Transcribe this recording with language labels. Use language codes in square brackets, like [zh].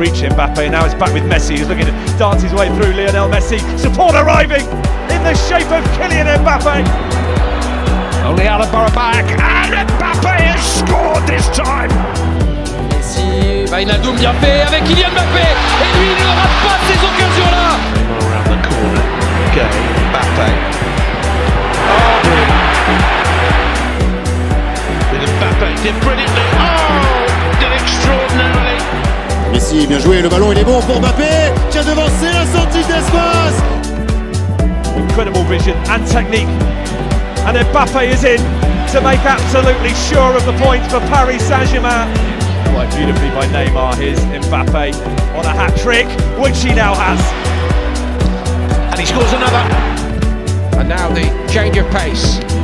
[en] Reaching Mbappe, now it's back with Messi, who's looking to dance his way through Lionel Messi. Support arriving in the shape of Kylian Mbappe. Only Alaba back, and Mbappe has scored this time. [fr] Messi, Wijnaldum bien fait avec Kylian Mbappe, et lui ne rate pas ces occasions-là. [en] Around the corner, okay, Mbappe. [fr] Messi, bien joué, le ballon il est bon pour Mbappé qui a devancé la sortie d'espace. [en] Incredible vision and technique. And Mbappé is in to make absolutely sure of the points for Paris Saint-Germain. Quite beautifully by Neymar, here's Mbappé on a hat trick, which he now has. And he scores another. And now the change of pace.